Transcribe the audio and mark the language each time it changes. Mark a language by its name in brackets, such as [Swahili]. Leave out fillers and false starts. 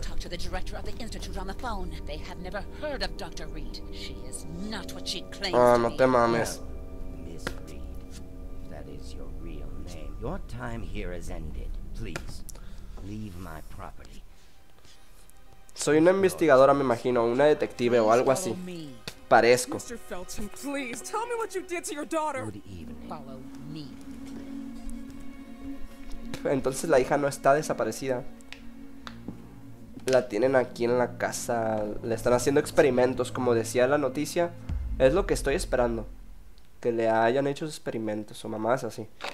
[English] Talked to the director of the institute on the phone. They have never heard of Dr. Reed. She is not what she claims. [Spanish] Oh, no te mames. [English] Miss Reed. That is your real name. Your time here has ended. Please leave my property. [Spanish] Soy una investigadora, me imagino, una detective o algo así. Parezco. Mr. [English] Felton, please tell me what you did to your daughter. Good evening. Follow me. [Spanish] Entonces la hija no está desaparecida. La tienen aquí en la casa. Le están haciendo experimentos, como decía la noticia. Es lo que estoy esperando. Que le hayan hecho experimentos o mamás así.